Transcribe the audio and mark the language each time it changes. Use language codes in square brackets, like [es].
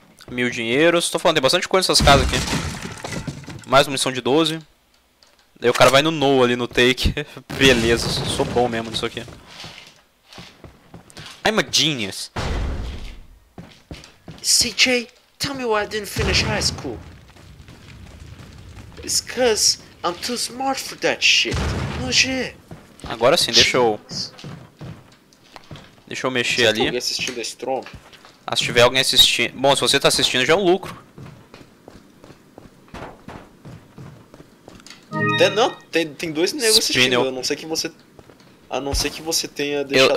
[pt] Mil dinheiros. Tô falando, tem bastante coisa nessas casas aqui. Mais munição de 12. Daí o cara vai no no ali no take. Beleza, sou bom mesmo nisso aqui. [en] I'm a genius. CJ, tell me why I didn't finish high school. It's cause I'm too smart for that shit. No shit. [pt] Agora sim, deixa eu mexer. Você ali. Alguém assistindo a Strom? Ah, se tiver alguém assistindo. Bom, se você tá assistindo já é um lucro. Tem dois negros assistindo, a não ser que você. A não ser que você tenha deixado.